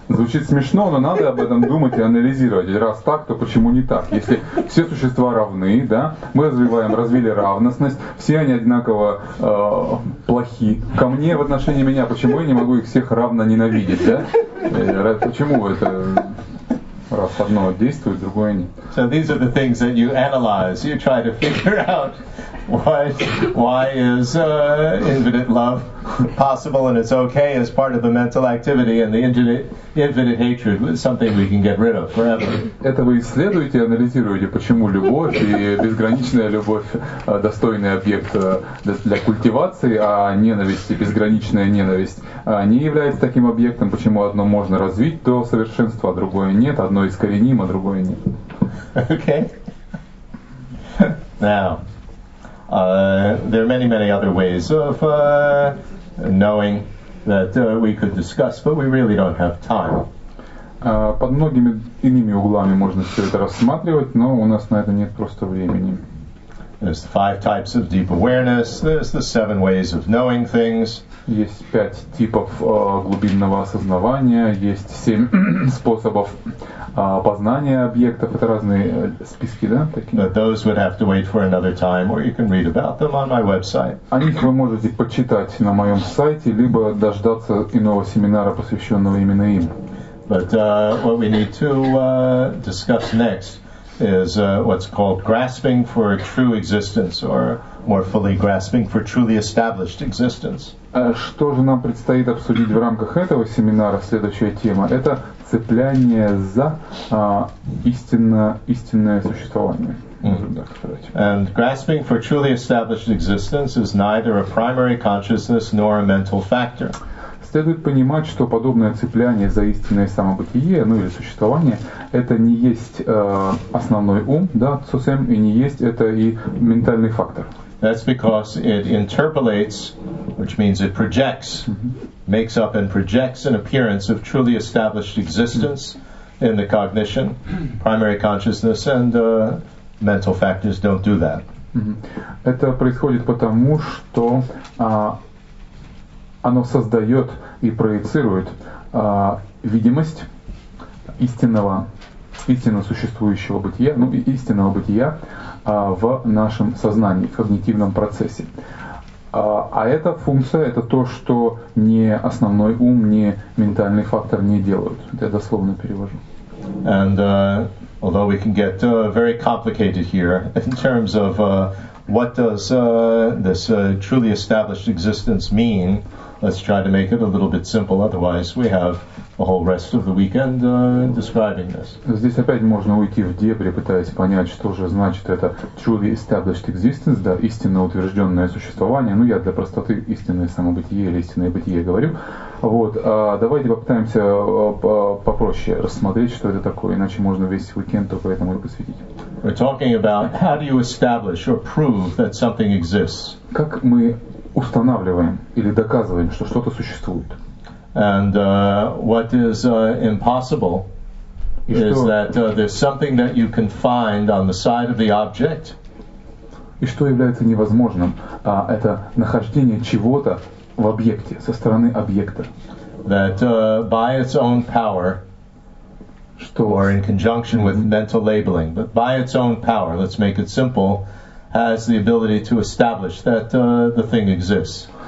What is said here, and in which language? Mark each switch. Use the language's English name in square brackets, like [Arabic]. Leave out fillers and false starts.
[Russian] Звучит смешно, но надо об этом думать и анализировать. Раз так, то почему не так? Если все существа равны, да, мы развили равностность, все они одинаково плохи ко мне в отношении меня, почему я не могу их всех равно ненавидеть, да? Почему это раз одно действует, другое не? [English] So these are the things that you analyze. You try to figure out why is infinite love possible and it's okay as part of the mental activity, and the infinite hatred is something we can get rid of forever. [Russian] Это вы исследуете, анализируете, почему любовь и безграничная любовь достойный объект для культивации, а ненависть и безграничная ненависть не является таким объектом, почему одно можно развить до совершенства, а другое нет, одно искоренимо, другое нет. [English] Okay. Now, there are many, many other ways of knowing that we could discuss, but we really don't have time. [Russian] Под многими иными углами можно все это рассматривать, но у нас на это нет просто времени. [English] There's the five types of deep awareness. There's the seven ways of knowing things. [Russian] Есть пять типов глубинного осознавания. Есть семь способов познания объектов. Это разные списки, да? Такие. [English] But those would have to wait for another time, or you can read about them on my website. [Russian] О них вы можете почитать на моем сайте, либо дождаться иного семинара, посвященного именно им. [English] But what we need to discuss next is what's called grasping for a true existence, or or fully grasping for truly established existence. [Russian] Что же нам предстоит обсудить в рамках этого семинара? Следующая тема — это цепляние за истинное существование. [English] And grasping for truly established existence is neither a primary consciousness nor a mental factor. [Russian] Следует понимать, что подобное цепляние за истинное самобытие, ну или существование, это не есть основной ум, да, цусэм, и не есть это и ментальный фактор. That's because it interpolates, which means it projects, makes up and projects an appearance of truly established existence in the cognition, primary consciousness, and mental factors don't do that. Это происходит потому, что оно создает и проецирует видимость истинно существующего бытия, ну, истинного бытия в нашем сознании, в когнитивном процессе. А эта функция — это то, что ни основной ум, ни ментальный фактор не делают. Это я дословно перевожу. [English] And although we can get very complicated here in terms of what does this truly established existence mean, let's try to make it a little bit simple, otherwise we have the whole rest of the weekend describing this. [Russian] Здесь опять можно уйти в дебри, пытаясь понять, что же значит это [English] truly established existence, [Russian] да, истинно утвержденное существование. Ну, я для простоты истинное самобытие или истинное бытие говорю. Вот, давайте попытаемся попроще рассмотреть, что это такое, иначе можно весь уикенд только этому и посвятить. [English] We're talking about how do you establish or prove that something exists. [Russian] Как мы устанавливаем или доказываем, что что-то существует. [English] And what is impossible is that there's something that you can find on the side of the object. [Russian] И что является невозможным, это нахождение чего-то в объекте, со стороны объекта. [English] That by its own power, or in conjunction with mental labeling, but by its own power, let's make it simple, has the ability to establish that the thing exists.